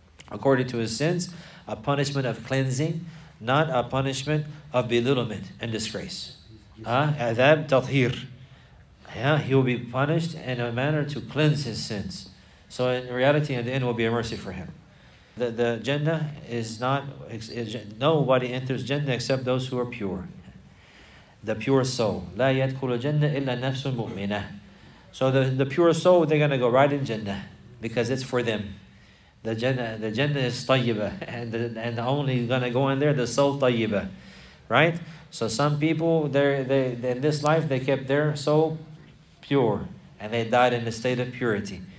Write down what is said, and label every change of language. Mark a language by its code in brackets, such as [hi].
[en] According to his sins, a punishment of cleansing, not a punishment of belittlement and disgrace. Adab tathir. Yeah, he will be punished in a manner to cleanse his sins. So in reality, in the end, will be a mercy for him. The Jannah is not, nobody enters Jannah except those who are pure. the pure soul. [ar] لا يدخل الجنة إلا نفس مؤمنة. [en] So the pure soul, they're gonna go right in Jannah because it's for them. The Jannah is tayyibah, and only gonna go in there the soul tayyibah, right? So some people they in this life they kept their soul pure and they died in a state of purity.